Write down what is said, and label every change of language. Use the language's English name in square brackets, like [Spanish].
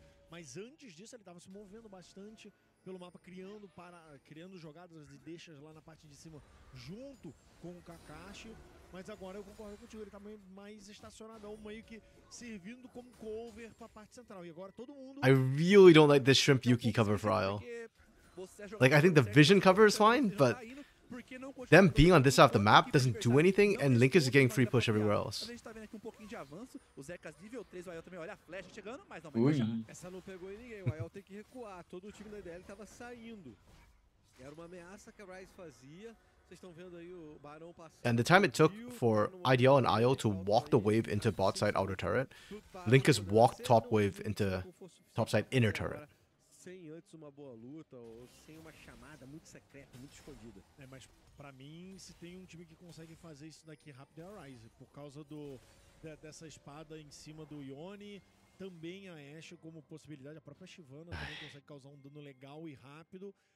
[Portuguese] Mas antes disso, ele tava se movendo bastante pelo mapa, criando jogadas e deixas lá na parte de cima, junto com o Kakashi. Mas agora eu concordo contigo, ele tá mais estacionadão, meio que servindo como cover pra parte central. E agora todo mundo... [English] I really don't like this Shrimp Yuki cover for Ryze. Like, I think the vision cover is fine, but... Them being on this side of the map doesn't do anything, and Link is getting free push everywhere else. [Portuguese] A gente tá vendo aqui um pouquinho de avanço. O Zekas nível 3, o Ayo também olha a flash chegando, mas não vai. Essa não pegou em ninguém, o Ayo tem que recuar. Todo o time da IDL tava saindo. Era uma ameaça que a Ryze fazia. Vocês estão vendo aí o Barão passando. [English] And the time it took for IDL and Ayo to walk the wave into bot side outer turret, Link has walked top wave into top side inner turret. [Portuguese] Sem antes uma boa luta ou sem uma chamada muito secreta, muito escondida. É, mas pra mim, se tem um time que consegue fazer isso daqui rápido é a Ryze, por causa dessa espada em cima do Yone, também a Ashe como possibilidade, a própria Shyvana também consegue causar um dano legal e rápido.